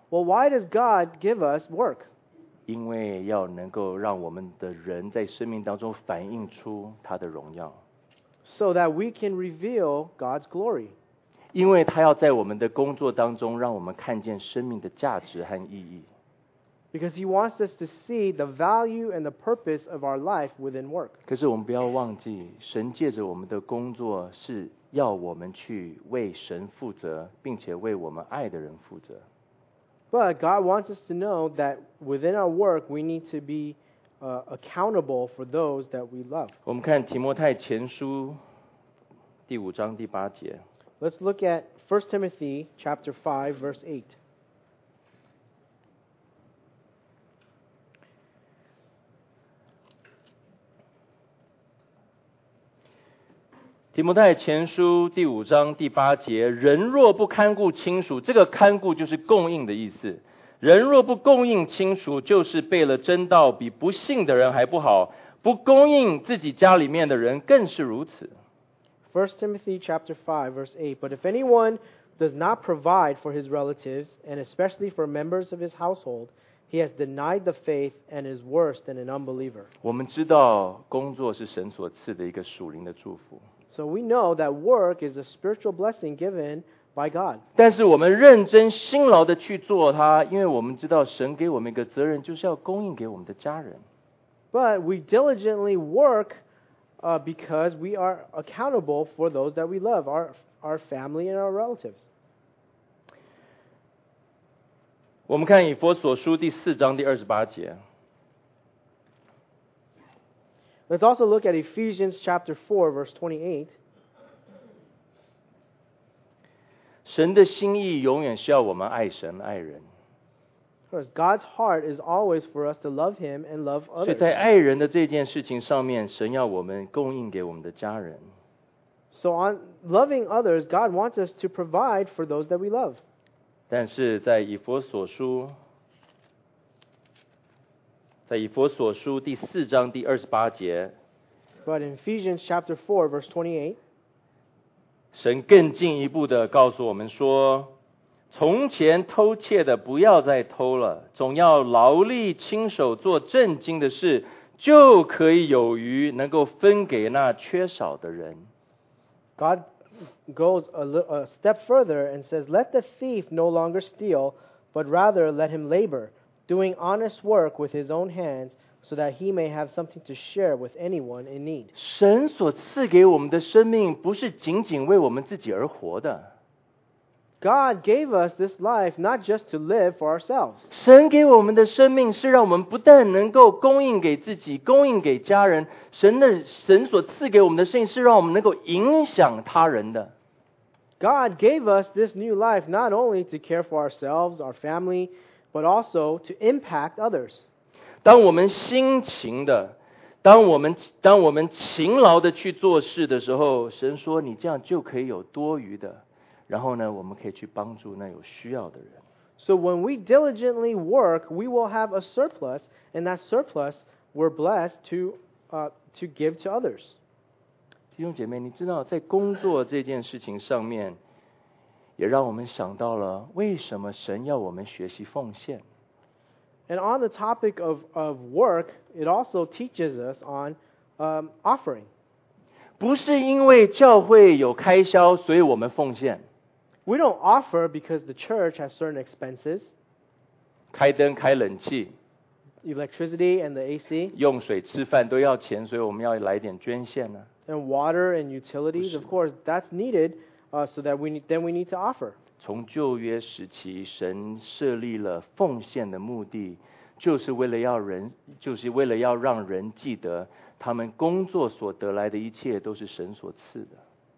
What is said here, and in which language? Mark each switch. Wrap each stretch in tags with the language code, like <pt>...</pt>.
<en>Well, why does God give us work?</en> <zh>因为要能够让我们的人在生命当中反映出他的荣耀。</zh> <en>So that we can reveal God's glory.</en> <zh>因为他要在我们的工作当中让我们看见生命的价值和意义。</zh> <en>Because he wants us to see the value and the purpose of our life within work.</en> <zh>可是我们不要忘记，神借着我们的工作是要我们去为神负责，并且为我们爱的人负责。</zh> <en>But God wants us to know that within our work we need to be accountable for those that we love.</en> <zh>我们看提摩太前书第五章第八节。</zh> <en>Let's look at 1 Timothy chapter 5, verse 8.</en> <zh>Timothy 前书第五章第八节，人若不看顾亲属，这个看顾就是供应的意思。人若不供应亲属，就是背了真道，比不信的人还不好。不供应自己家里面的人，更是如此。</zh> <en>1 Timothy chapter 5 verse 8, But if anyone does not provide for his relatives, and especially for members of his household, he has denied the faith and is worse than an unbeliever.</en> <zh>我们知道工作是神所赐的一个属灵的祝福。</zh> <en>So we know that work is a spiritual blessing given by God.</en> <zh>但是我们认真辛劳地去做它，因为我们知道神给我们一个责任，就是要供应给我们的家人。</zh> <en>But we diligently work because we are accountable for those that we love, our family and our relatives.</en> <zh>我们看以弗所书第四章第二十八节。</zh> <en>Let's also look at Ephesians chapter 4, verse 28.</en> <zh>神的心意永远是要我们爱神爱人。</zh> <en>Because God's heart is always for us to love Him and love others.</en> <zh>所以在爱人的这件事情上面，神要我们供应给我们的家人。</zh> <en>So on loving others, God wants us to provide for those that we love.</en> <zh>但是在以弗所书，在以弗所书第四章第二十八节。</zh> <en>But in Ephesians chapter 4, verse 28.</en> <zh>神更进一步的告诉我们说，从前偷窃的不要再偷了，总要劳力亲手做正经的事，就可以有余，能够分给那缺少的人。</zh> <en>God goes a step further and says, Let the thief no longer steal, but rather let him labor, doing honest work with his own hands, so that he may have something to share with anyone in need.</en> <zh>神所赐给我们的生命不是仅仅为我们自己而活的。</zh> <en>God gave us this life not just to live for ourselves.</en> <zh>神给我们的生命是让我们不但能够供应给自己，供应给家人。神所赐给我们的生命是让我们能够影响他人的。</zh> <en>God gave us this new life not only to care for ourselves, our family, but also to impact others.</en> <zh>当我们辛勤的，当我们勤劳的去做事的时候，神说你这样就可以有多余的，然后呢，我们可以去帮助那有需要的人。</zh> <en>So when we diligently work, we will have a surplus, and that surplus we're blessed to give to others.</en> <zh>弟兄姐妹，你知道在工作这件事情上面，也让我们想到了为什么神要我们学习奉献。</zh> <en>And on the topic of work, it also teaches us on offering.</en> <zh>不是因为教会有开销，所以我们奉献。</zh> <en>We don't offer because the church has certain expenses.</en> <zh>开灯开冷气。</zh> <en>Electricity and the AC.</en> <zh>用水吃饭都要钱，所以我们要来点捐献呢。</zh> <en>And water and utilities, of course, that's needed, so that we need to offer.</en> <zh>从旧约时期，神设立了奉献的目的，就是为了要让人记得，他们工作所得来的一切都是神所赐的。</zh>